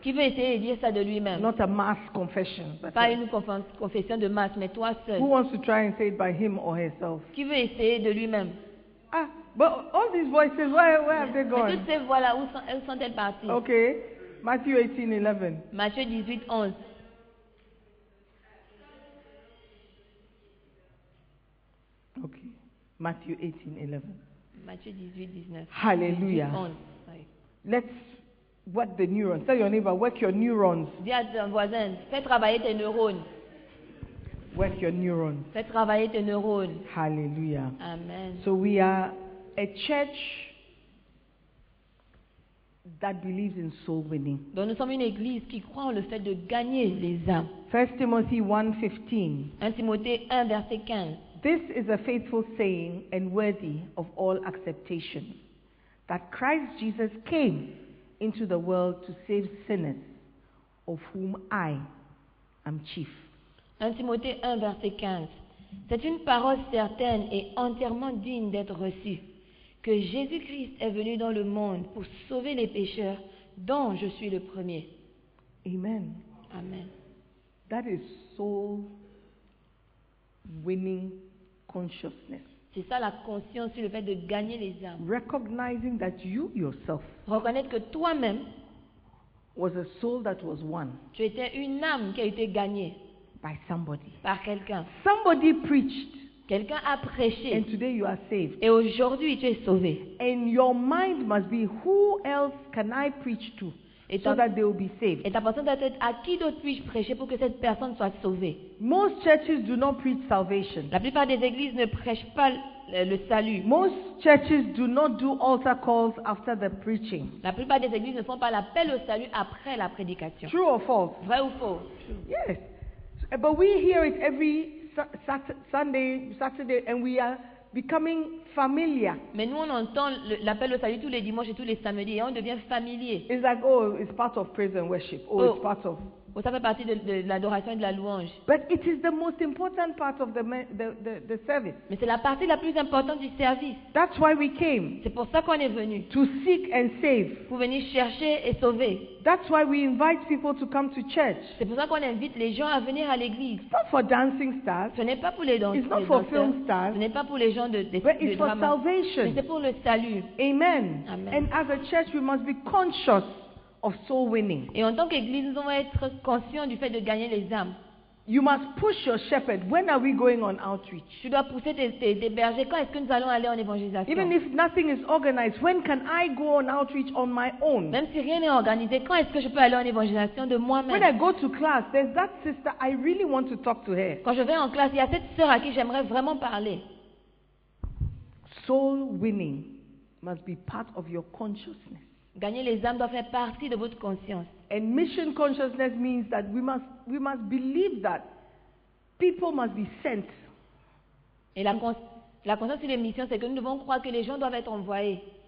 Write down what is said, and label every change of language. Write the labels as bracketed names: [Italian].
[French] Qui veut essayer de dire ça de lui-même? [English] Not a mass confession, but [French] pas une confession de masse, mais toi seul. [English] Who wants to try and say it by him or herself? [French] Qui veut essayer de lui-même? [English] Ah, but all these voices, where have they gone? [French] Toutes ces voix-là, où sont elles sont-elles parties? [English] Okay, Matthew 18:11. [French] Matthieu 18:11. Matthieu 18:19. Hallelujah. [English] 18, let's work the neurons. Tell your neighbor, work your neurons. [French] Dis à ton voisin, fais travailler tes neurones. [English] Work your neurons. [French] Fais travailler tes neurones. [English] Hallelujah. Amen. So we are a church that believes in soul winning. [French] Donc nous sommes une église qui croit en le fait de gagner les âmes. 1 Timothée 1:15. 1 Timothée 1:15. [English] This is a faithful saying and worthy of all acceptation, that Christ Jesus came into the world to save sinners, of whom I am chief. [French] 1 Timothée 1:15. C'est une parole certaine et entièrement digne d'être reçue, que Jésus-Christ est venu dans le monde pour sauver les pécheurs dont je suis le premier. Amen. Amen. [English] That is soul winning. Consciousness. [French] C'est ça la conscience sur le fait de gagner les âmes. [English] Recognizing that you yourself [French] reconnaître que toi-même [English] was a soul that was won. [French] Tu étais une âme qui a été gagnée [English] by somebody. [French] Par quelqu'un. [English] Somebody preached. [French] Quelqu'un a prêché. [English] And today you are saved. [French] Et aujourd'hui tu es sauvé. [English] And your mind must be who else can I preach to [French] et [English] so that they will be saved. [French] Et ta pensée doit être à qui d'autre puis-je prêcher pour que cette personne soit sauvée. [English] Most churches do not preach salvation. [French] La plupart des églises ne prêchent pas le salut. [English] Most churches do not do altar calls after the preaching. [French] La plupart des églises ne font pas l'appel au salut après la prédication. [English] True or false? [French] Vrai ou faux? [English] Yes. But we hear it every Saturday and we are becoming familiar. [French] Mais nous on entend l'appel au salut tous les dimanches et tous les samedis et on devient familier. [English] It's like, oh, it's part of praise and worship. Oh, oh. It's part of. [French] Oh, ça fait partie de l'adoration et de la louange. [English] But it is the most important part of the service. [French] Mais c'est la partie la plus importante du service. [English] That's why we came. [French] C'est pour ça qu'on est venu. [English] To seek and save. [French] Pour venir chercher et sauver. [English] That's why we invite people to come to church. [French] C'est pour ça qu'on invite les gens à venir à l'église. [English] It's not for dancing stars. [French] Ce n'est pas pour les danseurs. [English] It's not for film stars. [French] Ce n'est pas pour les gens de [English] drama. But it's for salvation. [French] C'est pour le salut. Amen. Amen. [English] And as a church, we must be conscious of soul winning. [French] Et en tant qu'église, nous devons être conscients du fait de gagner les âmes. [English] You must push your shepherd. When are we going on outreach? [French] Tu dois pousser tes bergers. Quand est-ce que nous allons aller en évangélisation? [English] Even if nothing is organized, when can I go on outreach on my own? [French] Même si rien n'est organisé, quand est-ce que je peux aller en évangélisation de moi-même? [English] When I go to class, there's that sister I really want to talk to her. [French] Quand je vais en classe, il y a cette sœur à qui j'aimerais vraiment parler. [English] Soul winning must be part of your consciousness. [French] Gagner les âmes doit faire partie de votre conscience. [English] And mission consciousness means that we must believe that people must be sent. [French] Et la conscience sur les missions, c'est que nous devons croire que les gens doivent être envoyés.